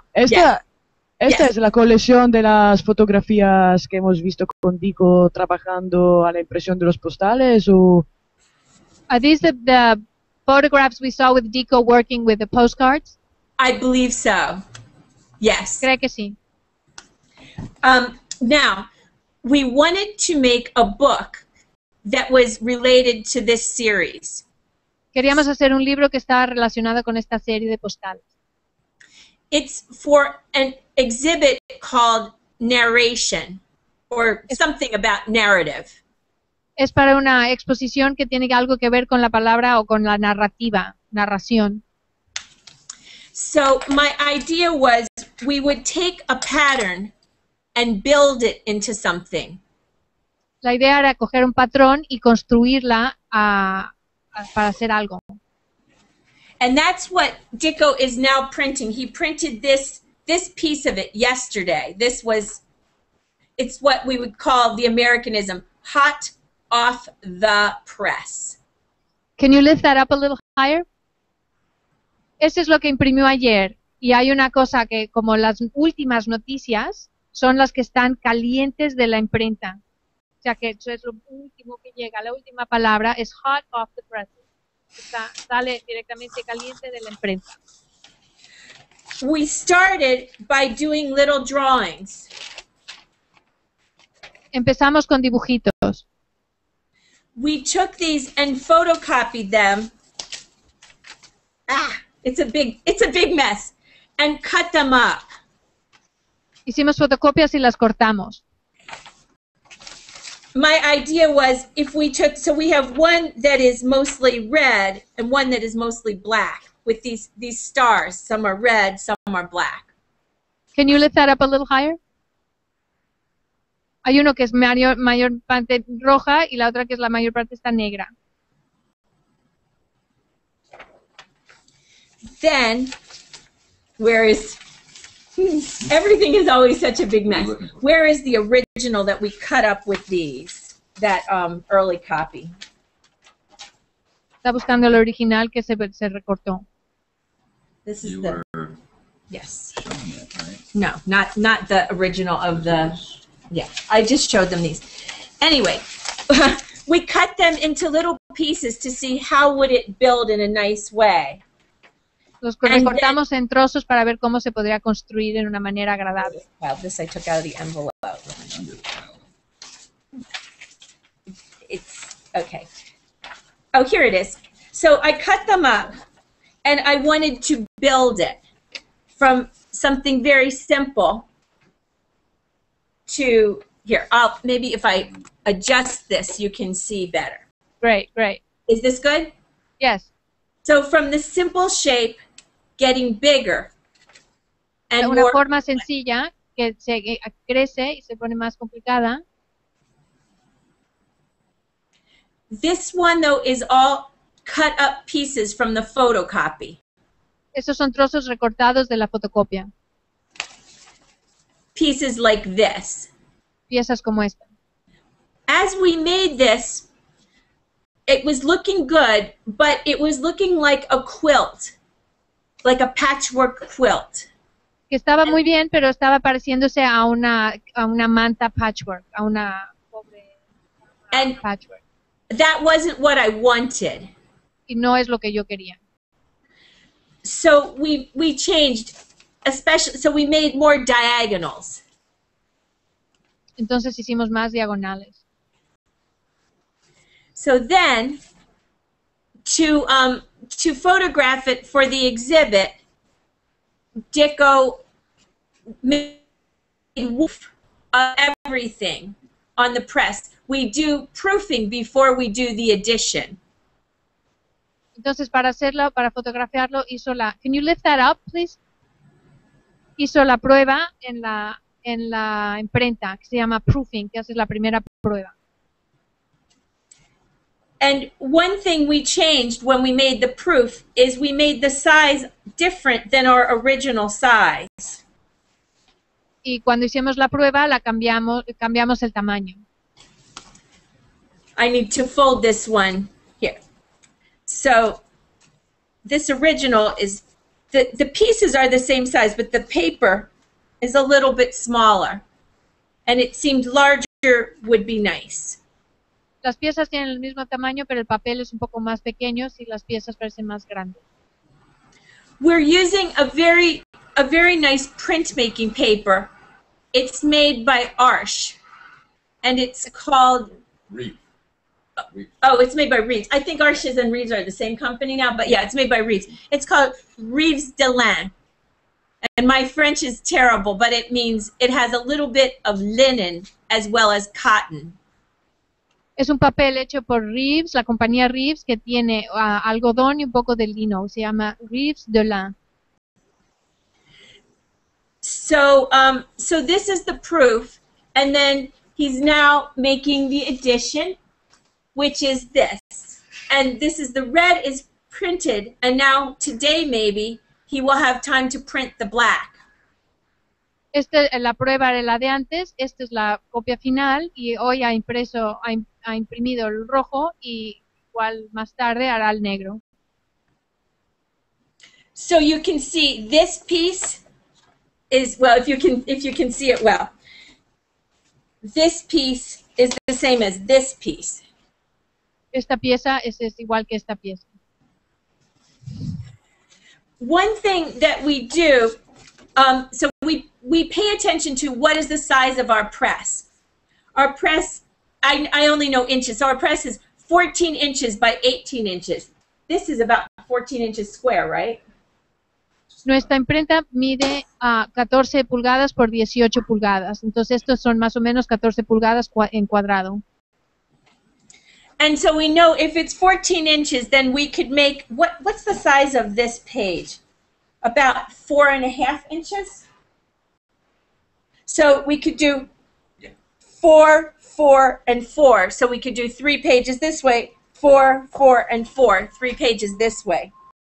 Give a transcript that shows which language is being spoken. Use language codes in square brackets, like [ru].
[es] Esta es la colección de las fotografías que hemos visto con Dicko trabajando a la impresión de los postales o [en] are these the photographs we saw with Dicko working with the postcards? I believe so. Yes. [es] Creo que sí. [en] Now, we wanted to make a book that was related to this series. [es] Queríamos hacer un libro que estaba relacionado con esta serie de postales. [en] It's for an exhibit called Narration, or something about narrative. [es] Es para una exposición que tiene algo que ver con la palabra o con la narrativa, narración. [en] So my idea was we would take a pattern and build it into something. [es] La idea era coger un patrón y construirla para hacer algo. [en] And that's what Dicko is now printing. He printed this piece of it yesterday. It's what we would call the Americanism, hot off the press. Can you lift that up a little higher? [es] Eso es lo que imprimió ayer. Y hay una cosa que como las últimas noticias son las que están calientes de la imprenta. O sea que eso es lo último que llega. La última palabra es [en] hot off the press. [es] Sale directamente caliente de la imprenta. [en] We started by doing little drawings. [es] Empezamos con dibujitos. [en] We took these and photocopied them. It's a big mess. And cut them up. [es] Hicimos fotocopias y las cortamos. [en] My idea was if we took, so we have one that is mostly red and one that is mostly black with these stars. Some are red, some are black. Can you lift that up a little higher? [es] Hay uno que es mayor parte roja y la otra que es la mayor parte está negra. [en] Then, where is... Everything is always such a big mess. Where is the original that we cut up with these? That early copy. [es] Está buscando el original que se recortó. [en] This is the... Yes. No, not the original of the... Yeah, I just showed them these. Anyway, we cut them into little pieces to see how would it build in a nice way. [es] Los recortamos en trozos para ver cómo se podría construir en una manera agradable. [en] Well, this I took out of the envelope. It's okay. Oh, here it is. So I cut them up, and I wanted to build it from something very simple to here. I'll maybe if I adjust this, you can see better. Great. Is this good? Yes. So from the simple shape getting bigger and [es] una [en] more [es] forma sencilla que se crece y se pone más complicada. [en] This one though is all cut up pieces from the photocopy. [es] Esos son trozos recortados de la fotocopia. [en] Pieces like this. [es] Piezas como esta. [en] As we made this, it was looking good, but it was looking like a quilt. Like a patchwork quilt. [es] Que estaba muy bien, pero estaba pareciéndose a una manta patchwork, a una pobre [en] and patchwork. That wasn't what I wanted. [es] Y no es lo que yo quería. [en] So we changed, especially so we made more diagonals. [es] Entonces hicimos más diagonales. [en] So then to photograph it for the exhibit, Dicko made woof of everything on the press. We do proofing before we do the edition. [es] Entonces, para hacerlo, para fotografiarlo, hizo la... [en] Can you lift that up, please? [es] Hizo la prueba en la imprenta, que se llama proofing, que es la primera prueba. [en] And one thing we changed when we made the proof is we made the size different than our original size. [es] Y cuando hicimos la prueba, la cambiamos el tamaño. [en] I need to fold this one here. So this original is, the pieces are the same size, but the paper is a little bit smaller. And it seemed larger would be nice. [es] Las piezas tienen el mismo tamaño, pero el papel es un poco más pequeño y las piezas parecen más grandes. [en] We're using a very nice printmaking paper. It's made by Arsh, and it's called Reef. Oh, it's made by Reef. I think Arsh's and Reef's are the same company now, but yeah, it's made by Reef. It's called Reef's de Lin. And my French is terrible, but it means it has a little bit of linen as well as cotton. [es] Es un papel hecho por Reeves, la compañía Reeves, que tiene algodón y un poco de lino. Se llama Reeves de Lin. [en] So this is the proof, and then he's now making the addition, which is this. And this is the red is printed, and now today maybe he will have time to print the black. [es] Esta es la prueba de la de antes, esta es la copia final y hoy ha imprimido el rojo y igual más tarde hará el negro. [en] So you can see this piece is, well, if you can see it well, this piece is the same as this piece. [es] Esta pieza es igual que esta pieza. [en] One thing that we do, so we pay attention to what is the size of our press. Our press, I only know inches, so our press is 14 inches by 18 inches. This is about 14 inches square, right? [es] Nuestra imprenta mide 14 pulgadas por 18 pulgadas. Entonces, estos son más o menos 14 pulgadas en cuadrado. [en] And so we know if it's 14 inches, then we could make, what's the size of this page? About 4.5 inches? So we could do 4, 4, and 4. So we could do 3 pages this way, 4, 4, and 4, 3 pages this way.